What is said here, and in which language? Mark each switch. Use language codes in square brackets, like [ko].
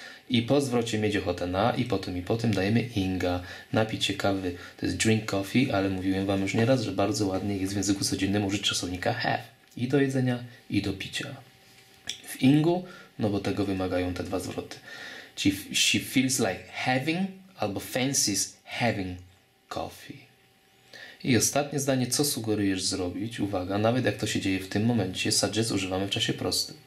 [pl] I po zwrocie mieć ochotę na i po tym dajemy inga. Napicie kawy, to jest drink coffee, ale mówiłem wam już nieraz, że bardzo ładnie jest w języku codziennym użyć czasownika have. I do jedzenia, i do picia. W ingu, no bo tego wymagają te dwa zwroty. [en] Czy she feels like having albo fancies having coffee. [pl] I ostatnie zdanie, co sugerujesz zrobić? Uwaga, nawet jak to się dzieje w tym momencie, suggest używamy w czasie prostym.